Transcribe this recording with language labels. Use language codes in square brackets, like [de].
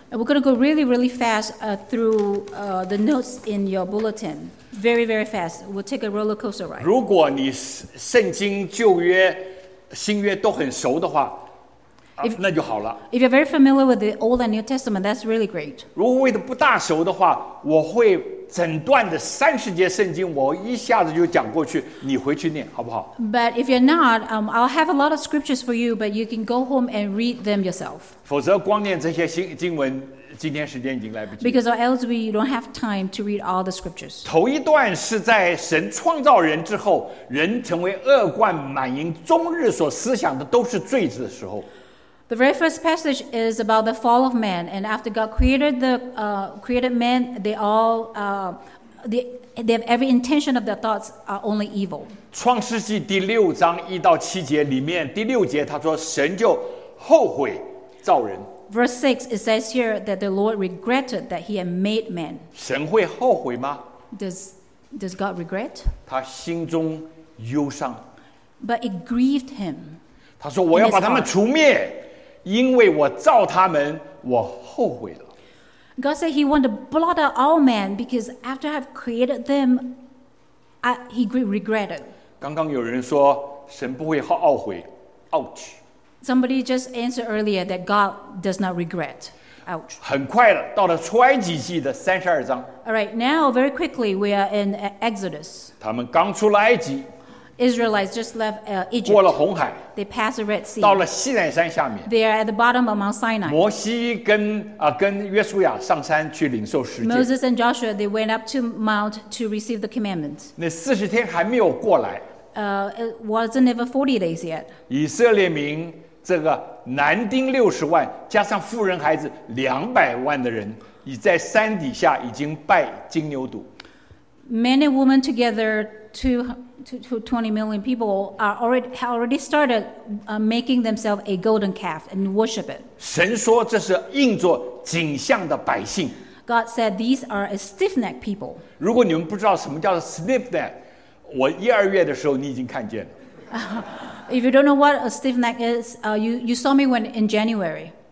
[en] And we're going to go really, really fast through the notes in your bulletin. Very, very fast. We'll take a roller coaster ride. [zh] 如果你圣经旧约新约都很熟的话 [en] if, [zh] 那就好了 [en] If you're very familiar with the Old and New Testament That's really great [zh] 如果为的不大熟的话我会整段的三十节圣经我一下子就讲过去你回去念好不好 [en] But if you're not I'll have a lot of scriptures for you But you can go home and read them yourself [zh] 否则光念这些经文今天时间已经来不及 [en] Because or else we don't have time to read all the scriptures. [zh] 头一段是在神创造人之后，人成为恶贯满盈，终日所思想的都是罪子的时候。 [en] The very first passage is about the fall of man, and after God created the created man, they all they have every intention of their thoughts are only evil. [zh] 创世纪第六章一到七节里面第六节他说神就后悔造人。 [en] Verse 6, it says here that the Lord regretted that he had made man. [zh] 神会后悔吗? [en] Does God regret? [zh] 他心中忧伤。 [en] But it grieved him. [zh] 他说我要把他们除灭,因为我造他们,我后悔了。 [en] God said he wanted to blot out all men because after I have created them, he regretted. [zh] 刚刚有人说神不会懊悔, ouch. [en] Somebody just answered earlier that God does not regret. Ouch. [zh] 很快了，到了出埃及记的三十二章。 [en] All right, now very quickly we are in Exodus. [zh] 他们刚出了埃及。 [en] Israelites just left Egypt. [zh] 过了红海。 [en] They passed the Red Sea. [zh] 到了西乃山下面。 [en] They are at the bottom of Mount Sinai. [zh] 摩西跟跟约书亚上山去领受十诫。 [en] Moses and Joshua they went up to Mount to receive the commandments. [zh] 那四十天还没有过来。 [en] It wasn't ever 40 days yet. [zh] 以色列民这个男丁六十万，加上妇人孩子两百万的人，已在山底下已经拜金牛犊。 [en] Men and women together, 220 million people are already started making themselves a golden calf and worship it. [zh] 神说这是应作景象的百姓。 [en] God said these are a stiff-necked people. [zh] 如果你们不知道什么叫 stiff-necked。我一二月的时候，你已经看见了。 [en] If you don't know what a stiff neck is, you saw me when in January.